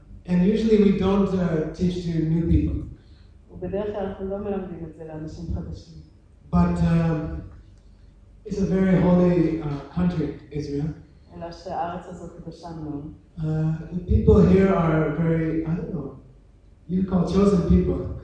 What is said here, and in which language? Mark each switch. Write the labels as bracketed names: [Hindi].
[English] And usually we don't teach to new people. [Hebrew] בדרך כלל אנחנו לא מלמדים את זה לאנשים חדשים. [English] But it's a very holy country, Israel. [Hebrew] אלא שהארץ הזאת קדושה מאוד. [English] The people here are very, I don't know, you call chosen people.